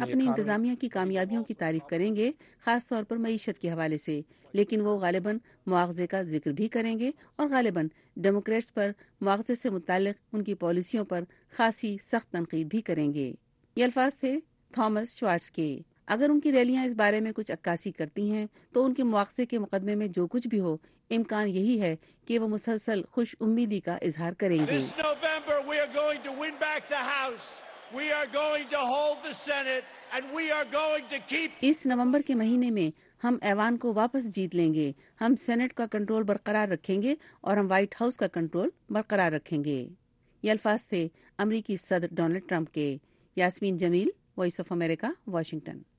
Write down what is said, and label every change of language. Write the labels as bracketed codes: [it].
[ur] اپنی انتظامیہ کی کامیابیوں کی تعریف کریں گے، خاص طور پر معیشت کے حوالے سے، لیکن وہ غالباً مواخذے کا ذکر بھی کریں گے اور غالباً ڈیموکریٹس پر مواخذے سے متعلق ان کی پالیسیوں پر خاصی سخت تنقید بھی کریں گے. یہ الفاظ تھے تھامس شوارٹز کے. اگر ان کی ریلیاں اس بارے میں کچھ عکاسی کرتی ہیں تو ان کے مواخذے کے مقدمے میں جو کچھ بھی ہو، امکان یہی ہے کہ وہ مسلسل خوش امیدی کا اظہار کریں گے. [en] This November we are going to win back the House. We are going to hold the Senate and we are going to keep [ur] اس نومبر کے مہینے میں ہم ایوان کو واپس جیت لیں گے، ہم سینٹ کا کنٹرول برقرار رکھیں گے اور ہم وائٹ ہاؤس کا کنٹرول برقرار رکھیں گے۔ یہ الفاظ تھے امریکی صدر ڈونلڈ ٹرمپ کے۔ یاسمین جمیل، وائس آف امریکہ، واشنگٹن۔